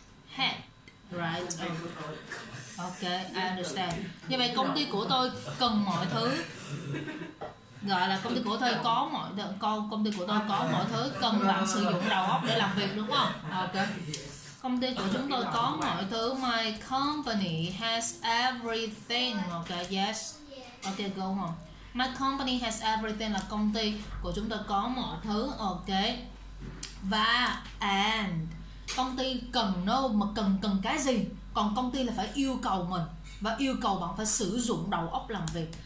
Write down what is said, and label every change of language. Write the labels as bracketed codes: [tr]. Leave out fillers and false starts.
[en] Head, right? Okay, I understand. [vi] Như vậy công ty của tôi cần mọi thứ. Gọi là công ty của tôi có mọi thứ. Công ty của tôi có mọi thứ cần bạn sử dụng đầu óc để làm việc, đúng không? Okay. Công ty của chúng tôi có mọi thứ. [en] My company has everything. Okay, yes. Ok, go on. My company has everything [vi] là công ty của chúng tôi có mọi thứ. Ok. Và and công ty cần no mà cần cái gì? Còn công ty là phải yêu cầu mình và yêu cầu bạn phải sử dụng đầu óc làm việc.